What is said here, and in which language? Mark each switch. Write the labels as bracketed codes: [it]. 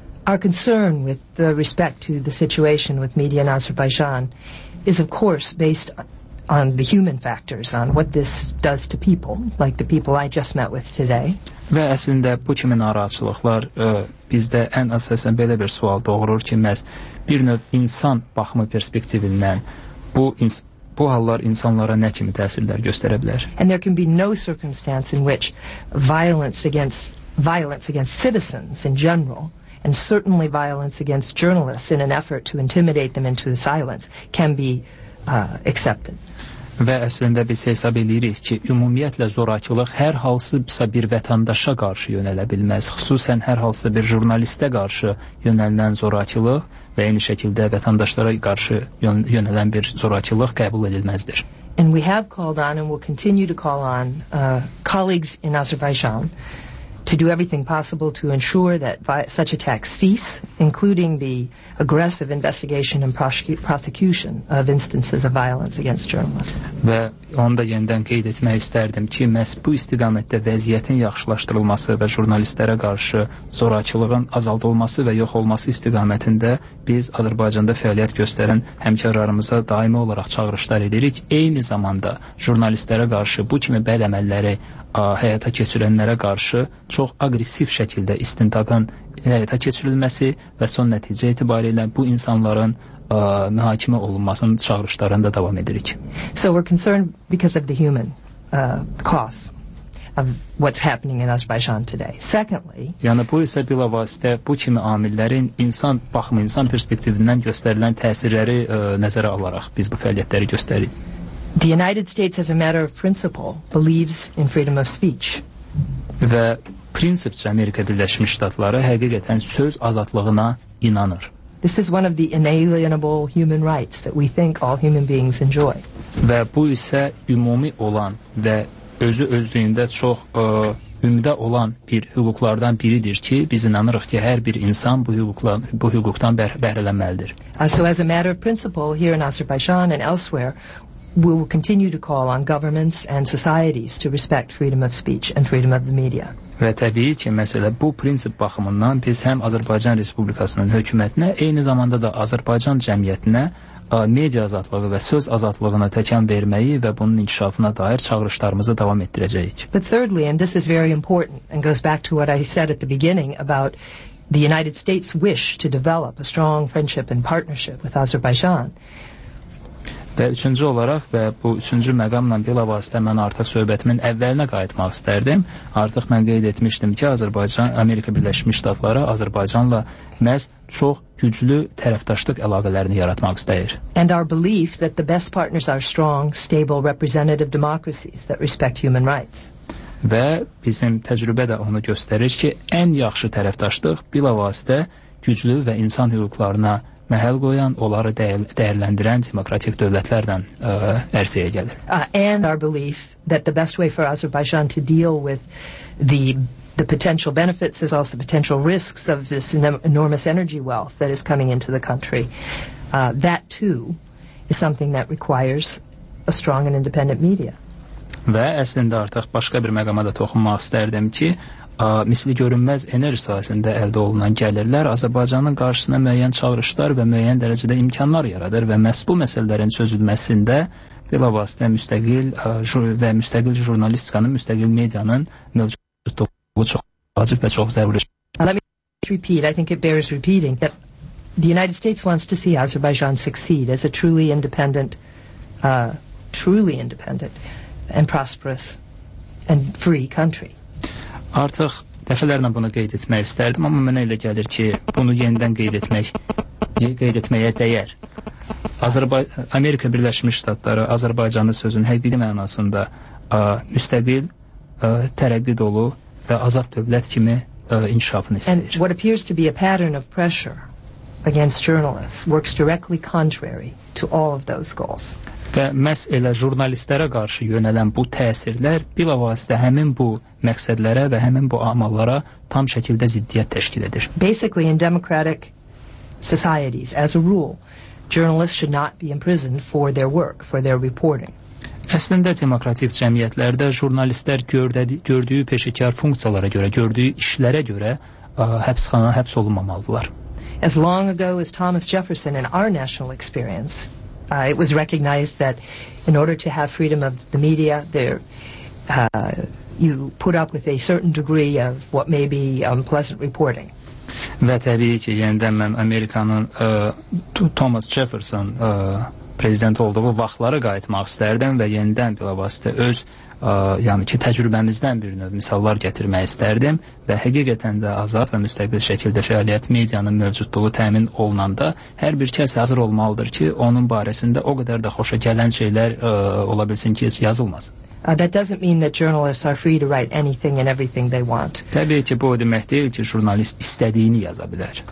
[en] Our concern with the respect to the situation with media in Azerbaijan is, of course, based on the human factors, on what this does to people, like the people I just met with today. [az] Və əslində bu kimi narahatçılıqlar bizdə ən əsasən belə bir sual doğurur ki, məhz bir növ insan baxımı perspektivindən bu hallar insanlara nə kimi təsirlər göstərə bilər? [en] And there can be no circumstance in which violence against citizens in general, and certainly violence against journalists in an effort to intimidate them into silence, can be accepted. [az] Və əslində biz hesab edirik ki, ümumiyyətlə zorakılıq hər hansısa bir vətəndaşa qarşı yönələ bilməz. Xüsusən hər hansısa bir jurnalistə qarşı yönələn zorakılıq və eyni şəkildə vətəndaşlara qarşı yönələn bir zorakılıq qəbul edilməzdir. [en] And we have called on and will continue to call on colleagues in Azerbaijan to do everything possible to ensure that such attacks cease, including the aggressive investigation and prosecution of instances of violence against journalists. [az] Və onu da yenidən qeyd etmək istərdim ki, məhz bu istiqamətdə vəziyyətin yaxşılaşdırılması və jurnalistlərə qarşı zorakılığın azaldılması və yox olması istiqamətində biz Azərbaycanda fəaliyyət göstərən həmkarlarımıza daimi olaraq çağırışlar edirik. Eyni zamanda jurnalistlərə qarşı bu kimi bəd əməlləri həyata keçirənlərə qarşı çox aqressiv şəkildə istintaqın həyata keçirilməsi və son nəticə etibarilə bu insanların mühakimə olunmasının çağırışlarında davam edirik. [en] So we're concerned because of the human cost of what's happening in Azerbaijan today. Secondly, [az] yəni bu isə bilavasitə bu kimi amillərin insan baxımı, insan perspektivindən göstərilən təsirləri nəzərə alaraq biz bu fəaliyyətləri göstəririk. [en] The United States, as a matter of principle, believes in freedom of speech. [az] Və prinsipcə Amerika Birləşmiş Ştatları həqiqətən söz azadlığına inanır. [en] This is one of the inalienable human rights that we think all human beings enjoy. [az] Və bu isə ümumi olan və özü özlüyündə çox ümidə olan bir hüquqlardan biridir ki, biz inanırıq ki, hər bir insan bu hüquqdan bəhrələnməlidir. [en] So as a matter of principle, here in Azerbaijan and elsewhere, we will continue to call on governments and societies to respect freedom of speech and freedom of the media. [az] Və təbii ki, məsələ bu prinsip baxımından biz həm Azərbaycan Respublikasının hökumətinə, eyni zamanda da Azərbaycan cəmiyyətinə media azadlığı və söz azadlığına təkan verməyi və bunun inkişafına dair çağırışlarımızı davam etdirəcəyik. [en] But thirdly, and this is very important and goes back to what I said at the beginning about the United States wish to develop a strong friendship and partnership with Azerbaijan. [az] Və üçüncü olaraq və bu üçüncü məqamla bilavasitə mən artıq söhbətimin əvvəlinə qayıtmaq istərdim. Artıq mən qeyd etmişdim ki, Azərbaycan, Amerika Birləşmiş Ştatları Azərbaycanla məhz çox güclü tərəfdaşlıq əlaqələrini yaratmaq istəyir. [en] And our belief that the best partners are strong, stable, representative democracies that respect human rights. [az] Və bizim təcrübə də onu göstərir ki, ən yaxşı tərəfdaşlıq bilavasitə güclü və insan hüquqlarına məhəl qoyan, onları dəyərləndirən demokratik dövlətlərlə ərsəyə gəlir. [en] And our belief that the best way for Azerbaijan to deal with the potential benefits as also potential risks of this enormous energy wealth that is coming into the country, that too is something that requires a strong and independent media. [az] Və əslində artıq başqa bir məqama da toxunmaq istərdim ki, misli görünməz enerji sahəsində əldə olunan gəlirlər Azərbaycanın qarşısına müəyyən çağırışlar və müəyyən dərəcədə imkanlar yaradır və məhz bu məsələlərin çözülməsində bilavasitə müstəqil və müstəqil jurnalistikanın, müstəqil medianın mövcudluğu çox vacib və çox zəruridir. [en] I think it bears repeating that the United States wants to see Azerbaijan succeed as a truly independent and prosperous and free country. [az] Artıq dəfələrlə bunu qeyd etmək istərdim, amma mənə elə gəlir ki, bunu yenidən qeyd etməyə dəyər. Amerika Birləşmiş Ştatları Azərbaycanı sözün həqiqi mənasında müstəqil, tərəqqi dolu və azad dövlət kimi inkişafını istəyir. [en] And what appears to be a pattern of pressure against journalists works directly contrary to all of those goals. [az] Və məhz elə jurnalistlərə qarşı yönələn bu təsirlər bilavasitə həmin bu məqsədlərə və həmin bu amallara tam şəkildə ziddiyyət təşkil edir. [en] Basically, in democratic societies, as a rule, journalists should not be imprisoned for their work, for their reporting. [az] Əslində, demokratik cəmiyyətlərdə jurnalistlər gördüyü peşəkar funksiyalara görə, gördüyü işlərə görə həbsxana həbs olunmamalıdırlar. [en] As long ago as Thomas Jefferson in our national experience, it was recognized that in order to have freedom of the media, you put up with a certain degree of what may be unpleasant reporting. [az] Və təbii ki, yenidən mən Amerikanın Thomas Jefferson prezident olduğu vaxtları qayıtmaq istərdim və yenidən bilavasitə öz yəni ki, təcrübəmizdən bir növ misallar gətirmək istərdim və həqiqətən də azad və müstəqil şəkildə fəaliyyət medianın mövcudluğu təmin olunanda hər bir kəs hazır olmalıdır ki, onun barəsində o qədər də xoşa gələn şeylər ola bilsin ki, yazılmaz. [en] That doesn't mean that journalists are free to write anything and everything they want. [az] Təbii ki, bu o demək deyil ki, jurnalist istədiyini yaza bilər.